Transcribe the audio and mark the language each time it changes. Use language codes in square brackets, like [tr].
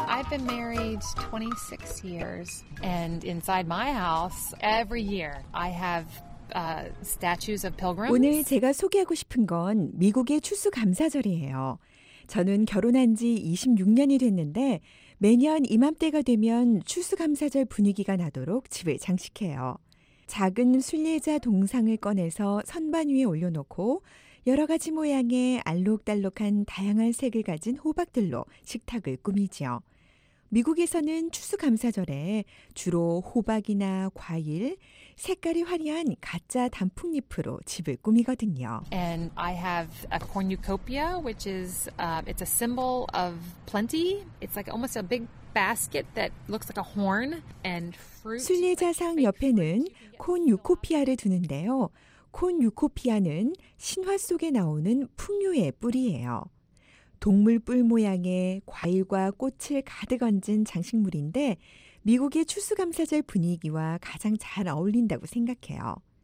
[en] I've been married 26 years and inside my house every year I have statues of pilgrims. [ko] 오늘 제가 소개하고 싶은 건 미국의 추수 감사절이에요. 저는 결혼한 지 26년이 됐는데 매년 이맘때가 되면 추수 감사절 분위기가 나도록 집을 장식해요. 작은 순례자 동상을 꺼내서 선반 위에 올려놓고 여러 가지 모양의 알록달록한 다양한 색을 가진 호박들로 식탁을 꾸미죠. 미국에서는 추수감사절에 주로 호박이나 과일, 색깔이 화려한 가짜 단풍잎으로 집을 꾸미거든요. [en] And I have a cornucopia, which is it's a symbol of plenty. It's like almost a big basket that looks like a horn and fruit. [ko] 순례자상 옆에는 콘유코피아를 두는데요. 콘유코피아는 신화 속에 나오는 풍류의 뿌리예요. 동물 뿔 모양의 과일과 꽃을 가득 얹은 장식물인데 미국의 추수감사절 분위기와 가장 잘 어울린다고 생각해요.